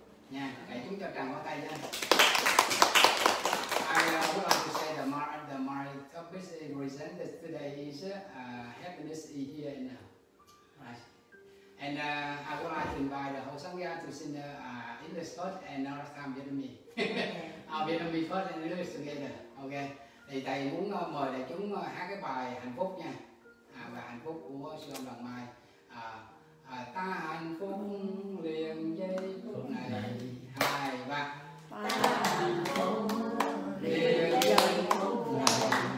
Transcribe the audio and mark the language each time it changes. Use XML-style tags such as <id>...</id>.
<vi>Nha, để chúng cho tràn qua tay nha.</vi> <en>I would like to say that my topic is presented today is happiness is here and now. Right. And I would like to invite the whole Sangha to sing in the spot and our time Vietnamese. Our Vietnamese first and English together. Okay.</en> <vi>Thì thầy muốn mời đại chúng hát cái bài hạnh phúc nha, và hạnh phúc của sư ông Đồng Mai. Ta hạnh phúc liền giây phút này. 2, 3. Ta hạnh phúc liền giây phút này,</vi>